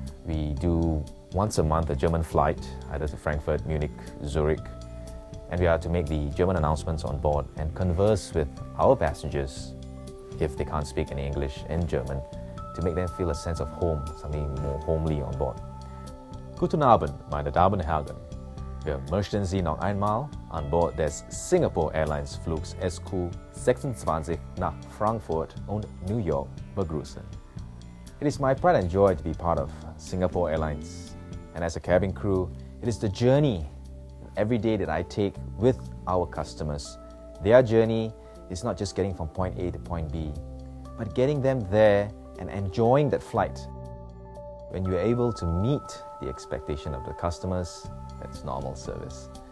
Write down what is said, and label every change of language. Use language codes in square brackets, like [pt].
[en] We do once a month a German flight, either to Frankfurt, Munich, Zurich, and we are to make the German announcements on board and converse with our passengers, if they can't speak any English, in German, to make them feel a sense of home, something more homely on board. [de] Guten Abend, meine Damen und Herren. Wir möchten Sie noch einmal an Bord des Singapore Airlines Flugs SQ26 nach Frankfurt und New York begrüßen. [en] It is my pride and joy to be part of Singapore Airlines. And as a cabin crew, it is the journey every day that I take with our customers. Their journey is not just getting from point A to point B, but getting them there and enjoying that flight. When you're able to meet the expectation of the customers, that's normal service.